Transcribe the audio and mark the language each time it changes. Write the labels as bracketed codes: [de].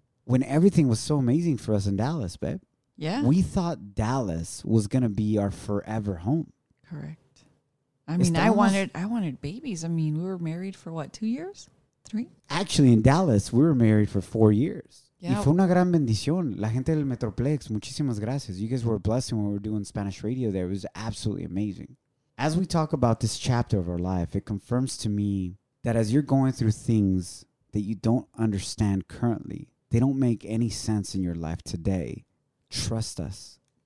[en] When everything was so amazing for us in Dallas, babe. Yeah. We thought Dallas was going to be our forever home. Correct. I mean, I wanted babies. I mean, we were married for what, 2 years? Three? Actually, in Dallas, we were married for 4 years. Yeah. [es] Y fue una gran bendición. La gente del Metroplex, muchísimas gracias. [en] You guys were a blessing when we were doing Spanish radio there. It was absolutely amazing. As we talk about this chapter of our life, it confirms to me that as you're going through things that you don't understand currently, they don't make any sense in your life today. Trust us.